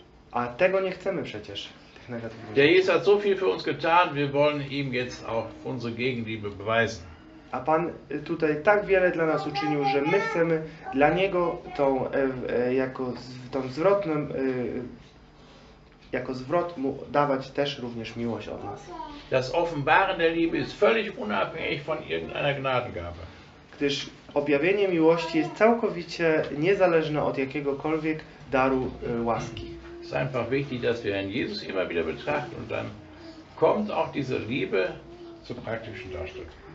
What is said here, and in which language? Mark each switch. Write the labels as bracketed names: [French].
[Polish] A tego nie chcemy przecież, tych negatywnych rzeczy. [German] Der Jesus hat so viel für uns getan, wir wollen ihm jetzt auch unsere Gegenliebe beweisen. [Polish] A Pan tutaj tak wiele dla nas uczynił, że my chcemy dla Niego tą jako tą zwrotną jako zwrot mu dawać też również miłość od nas. [German] Das offenbaren der Liebe ist völlig unabhängig von irgendeiner Gnadengabe. [Polish] Gdyż objawienie miłości jest całkowicie niezależne od jakiegokolwiek daru łaski. [German] Es ist einfach wichtig, dass wir Herrn Jesus immer wieder betrachten und dann kommt auch diese Liebe zur praktischen Darstellung.